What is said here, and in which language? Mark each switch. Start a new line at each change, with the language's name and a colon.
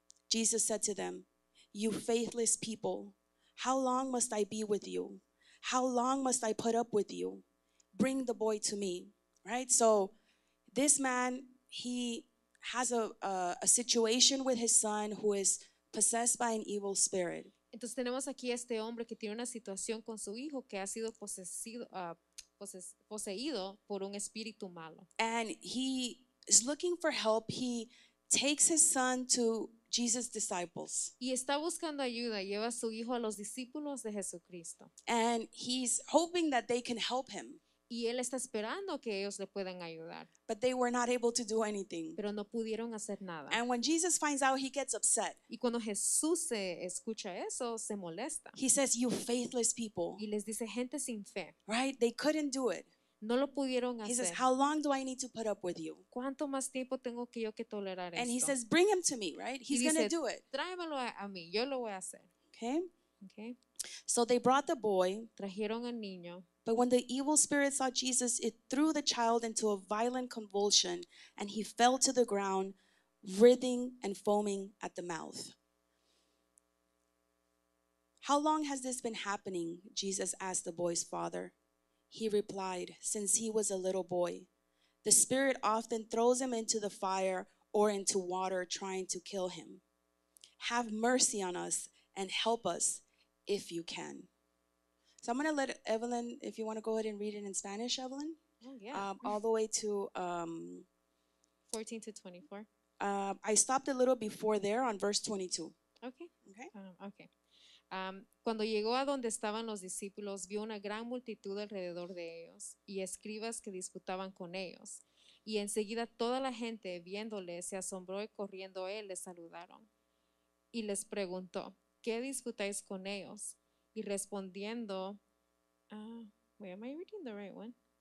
English: Jesus said to them, You faithless people, how long must I be with you? How long must I put up with you? Bring the boy to me. Right? So this man, he has a situation with his son who is possessed by an evil spirit.
Spanish: Entonces tenemos aquí a este hombre que tiene una situación con su hijo que ha sido poseído por un espíritu malo.
English: And he is looking for help. He takes his son to Jesus' disciples.
Spanish: Y está buscando ayuda. Lleva a su hijo a los discípulos de Jesucristo.
English: And he's hoping that they can help him.
Spanish: Y él está esperando que ellos le puedan ayudar.
English: But they were not able to do anything.
Spanish: Pero no pudieron hacer nada.
English: And when Jesus finds out, he gets upset.
Spanish: Y cuando Jesús se escucha eso, se molesta.
English: He says, "You faithless people."
Spanish: Y les dice, gente sin fe.
English: Right? They couldn't do it.
Spanish: No lo pudieron hacer.
English: He says, "How long do I need to put up with you?"
Spanish: ¿Cuánto más tiempo tengo que yo que tolerar esto?
English: And he says, "Bring him to me." Right? He's going to do it.
Spanish: Tráemelo a mí. Yo lo voy a hacer.
English: Okay. So they brought the boy.
Spanish: Trajeron al niño.
English: But when the evil spirit saw Jesus, it threw the child into a violent convulsion, and he fell to the ground, writhing and foaming at the mouth. How long has this been happening? Jesus asked the boy's father. He replied, since he was a little boy. The spirit often throws him into the fire or into water, trying to kill him. Have mercy on us and help us if you can. So I'm going to let Evelyn, if you want to go ahead and read it in Spanish, Evelyn. Oh, yeah. All the way to 14 to 24. I stopped a little before there on verse 22. Okay.
Spanish: Cuando llegó a donde estaban los discípulos, vio una gran multitud alrededor de ellos y escribas que disputaban con ellos. Y enseguida toda la gente viéndole se asombró y corriendo a él les saludaron. Y les preguntó, ¿qué disputáis con ellos? Y respondiendo,
English: am I reading the right one?